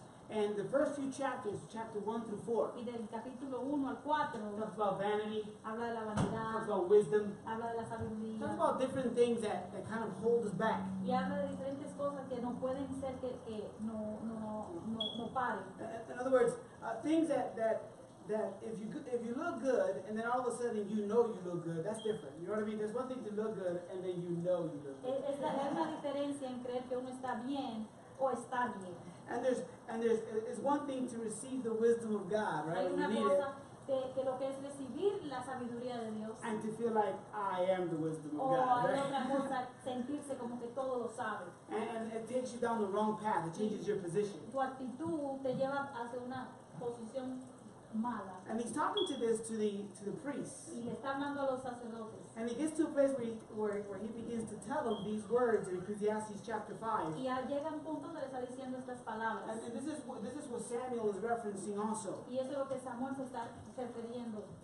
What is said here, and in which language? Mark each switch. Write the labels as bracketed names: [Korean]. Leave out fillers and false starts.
[English] And the first few chapters, chapter 1 through 4, talks about vanity, talks about wisdom, talks about different things that kind of hold us back. In other words, things that if you look good, and then all of a sudden you know you look good, that's different. You know what I mean? There's one thing to look good, and then you know you look good. [Spanish] Es la diferencia en creer que uno está bien o está bien. [English] And there's it's one thing to receive the wisdom of God, right? When you need it. [Spanish] Que lo que es recibir la sabiduría de Dios. [English] And to feel like I am the wisdom of God. [Spanish] Otra cosa, sentirse como que todo lo sabe. [English] And it takes you down the wrong path. It changes your position. [Spanish] Tu actitud te lleva hacia una posición mala. [English] And he's talking to this to the priests. [Spanish] Y está hablando a los sacerdotes. [English] And he gets to a place where he begins to tell them these words in Ecclesiastes chapter 5. [Spanish] Y llega un punto donde está diciendo estas palabras. [English] And this is what Samuel is referencing also. [Spanish] Y eso es lo que Samuel se está refiriendo.